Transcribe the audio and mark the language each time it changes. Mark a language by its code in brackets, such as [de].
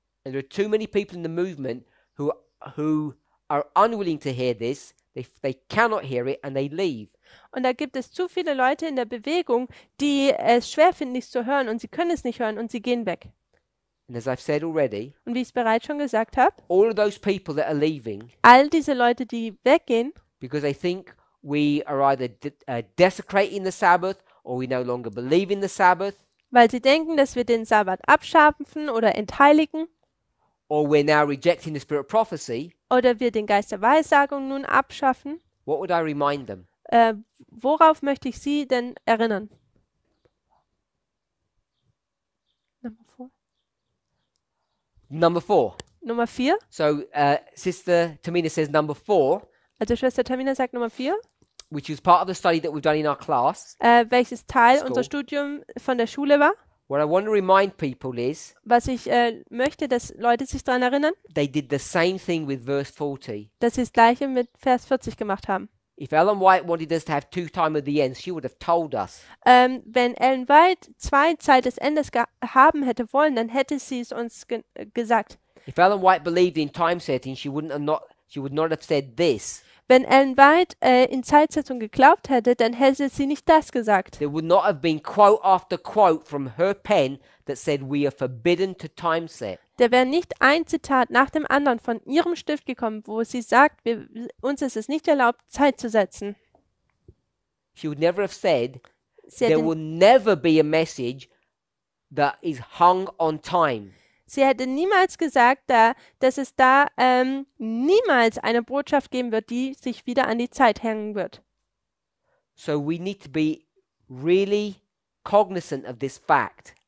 [en] And there are too many people in the movement who are unwilling to hear this. They cannot hear it and they leave. [de] Und da gibt es zu viele Leute in der Bewegung, die es schwer finden, dies zu hören, und sie können es nicht hören und sie gehen weg. [en] And as I've said already, [de] und wie ich es bereits schon gesagt habe, [en] all of those people that are leaving, [de] all diese Leute, die weggehen, [en] because they think we are either desecrating the Sabbath or we no longer believe in the Sabbath, [de] weil sie denken, dass wir den Sabbat abschaffen oder entheiligen, [en] or we're now rejecting the spirit of prophecy, [de] oder wir den Geist der Weissagung nun abschaffen, [en] what would I remind them? [de] Worauf möchte ich sie denn erinnern? [en] Number four. [de] Nummer vier. [en] So, Sister Tamina says number four. [de] Also Schwester Tamina sagt Nummer vier. [en] Which is part of the study that we've done in our class. [de] Welches Teil unser Studium von der Schule war. [en] What I want to remind people is. [de] Was ich möchte, dass Leute sich daran erinnern. [en] They did the same thing with verse 40. [de] Dass sie das Gleiche mit Vers 40 gemacht haben. [en] If Ellen White wanted us to have two time of the end, she would have told us. [de] Wenn Ellen White zwei Zeit des Endes haben hätte wollen, dann hätte sie es uns gesagt. [en] If Ellen White believed in time setting, she would not have said this. [de] Wenn Ellen White in Zeitsetzung geglaubt hätte, dann hätte sie nicht das gesagt. [en] There would not have been quote after quote from her pen that said we are forbidden to time set. [de] Da wäre nicht ein Zitat nach dem anderen von ihrem Stift gekommen, wo sie sagt, uns ist es nicht erlaubt, Zeit zu setzen. [en] She would never have said, there will never be a message that is hung on time. [de] Sie hätte niemals gesagt, dass es da niemals eine Botschaft geben wird, die sich wieder an die Zeit hängen wird. [en] So we need to be really cognizant of this fact.